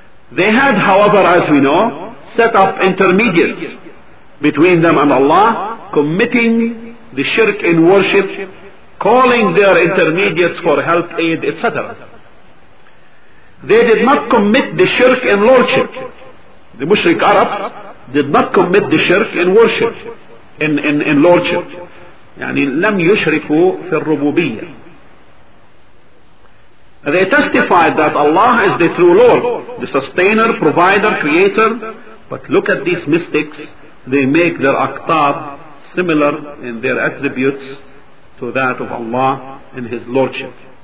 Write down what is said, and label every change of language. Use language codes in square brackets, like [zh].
[en] They had, however, as we know, set up intermediates between them and Allah, committing the shirk in worship, calling their intermediates for help, aid, etc. They did not commit the shirk in lordship. The Mushrik Arabs did not commit the shirk in worship, in lordship. [ar] يعني لم يشركوا في الربوبية. [en] They testified that Allah is the true Lord, the sustainer, provider, creator. But look at these mystics, they make their aqtab similar in their attributes to that of Allah in His lordship.